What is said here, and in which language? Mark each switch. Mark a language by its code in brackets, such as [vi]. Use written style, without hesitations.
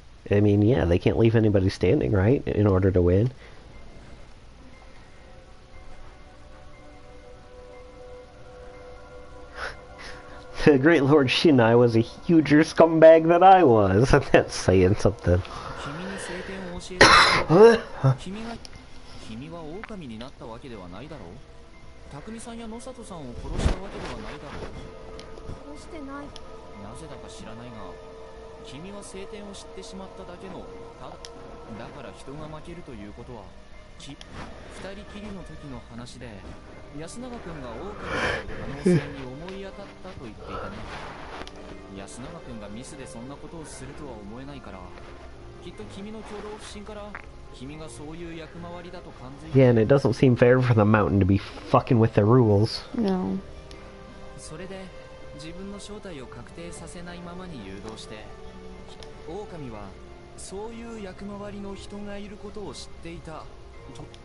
[en] I mean, yeah, they can't leave anybody standing, right? In order to win. The great Lord Shinai was a huger scumbag than I was. That's saying something. [ja] 君に聖典を教えて。君は狼になったわけではないだろう。匠さんや野里さんを殺したわけではないだろう。殺してない。なぜだか知らないが、君は聖典を知ってしまっただけの。だから人が負けるということは、二人きりの時の話で、安永君が狼の可能性に思い当たったと言っていたね。安永君がミスでそんなことをするとは思えないから、きっと君の挙動不審から君がそういう役回りだと感じ。 [en] Yeah, and it doesn't seem fair for the mountain to be fucking with the rules. No. [ja] それで。自分の正体を確定させないままに誘導して、狼はそういう役回りの人がいることを知っていたと。